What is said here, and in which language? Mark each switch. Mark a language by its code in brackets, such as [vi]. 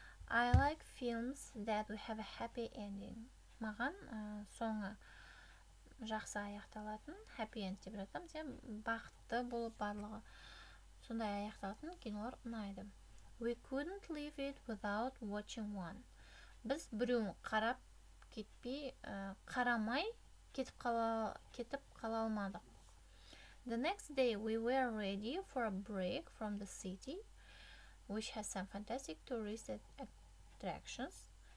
[en] I like films that we have a happy ending. [kk] Маған соңы жақсы аяқталатын, [en] happy end [kk] деп жатам, бақытты болып барлығы сондай аяқталатын кинолар ұнайды. [en] We couldn't leave it without watching one. [kk] Біз біреуін қарап кетпей, қарамай кетіп қала алмадық. [en] The next day we were ready for a break from the city. which has some fantastic tourist attractions.